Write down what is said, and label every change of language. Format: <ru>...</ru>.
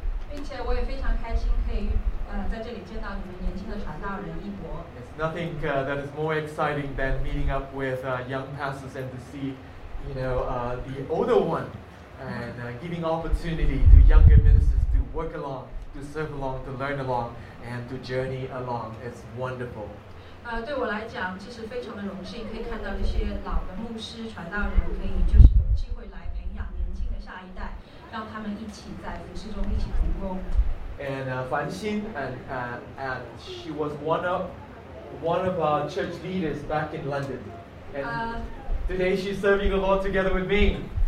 <zh>并且我也非常开心可以在这里见到你们年轻的传道人一博</zh> <en>It's nothing that is more exciting than meeting up with young pastors and to see you know, the older oneAnd giving opportunity to younger ministers to work along, to serve along, to learn along, and to journey along. It's wonderful.</en> <zh>对我来讲，其实非常的荣幸，可以看到这些老的牧师、传道人，可以就是有机会来培养年轻的下一代，让他们一起在服事中一起同工。</zh> <en>And Fan Xin, and she was one of our church leaders back in London. And today she's serving the Lord together with me.</en>